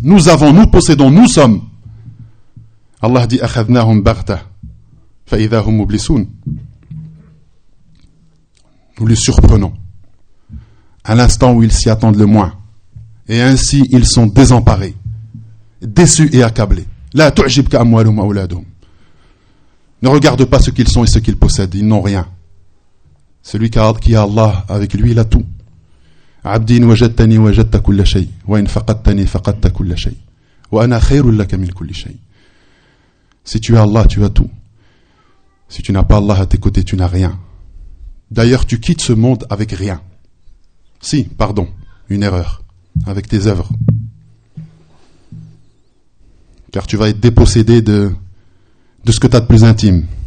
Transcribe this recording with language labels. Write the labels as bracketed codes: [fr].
[fr] Nous avons, nous possédons, nous sommes. Allah dit, « [ar] Akhadnahum baghta, fa'idahum mublisoun [fr] » Nous les surprenons à l'instant où ils s'y attendent le moins. Et ainsi, ils sont désemparés, déçus et accablés. « [ar] La tu'jibka amwaluhum awladuhum [fr] » Ne regarde pas ce qu'ils sont et ce qu'ils possèdent. Ils n'ont rien. Celui qui a Allah avec lui, il a tout. [ar] عبدين وجدتني وجدت كل شيء وإن فقدتني فقدت كل شيء وأنا خير لك من كل شيء. [fr] Si tu as Allah, tu as tout. Si tu n'as pas Allah à tes côtés, tu n'as rien. D'ailleurs, tu quittes ce monde avec rien. Si, pardon, une erreur, avec tes œuvres. Car tu vas être dépossédé de ce que tu as de plus intime.